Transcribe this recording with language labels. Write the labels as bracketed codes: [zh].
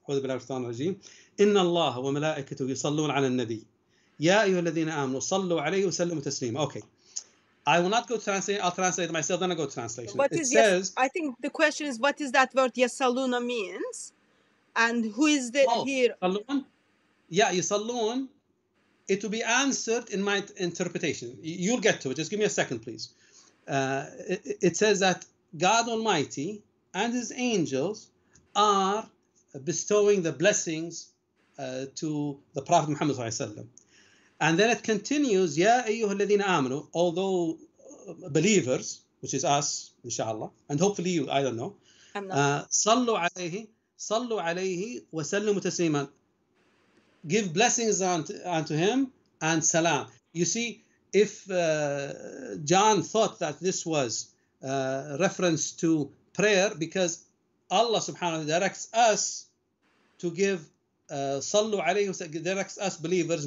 [ar] أعوذ بالله من الشيطان الرجيم. إن الله وملائكته يصلون على النبي. يا أيها الذين آمنوا صلوا عليه وسلموا تسليما. [en] Okay. I will not go to translate. I'll translate myself, then I go to translation. What is says, I think the question is, what is that word yasaluna means? And who is the here? Yeah, Yusallun. It will be answered in my interpretation. You'll get to it. Just give me a second, please. It says that God Almighty and His angels are bestowing the blessings to the Prophet Muhammad And then it continues, Ya ayyuha alladhina amanu, although believers, which is us, inshallah, and hopefully you, I don't know. Sallu alayhi. [ar] صلوا عليه وسلموا تسليما. [en] Give blessings unto him and salam. You see, if John thought that this was reference to prayer, because Allah subhanahu wa ta'ala directs us to give [ar] صلوا عليه وسلم, [en] directs us believers.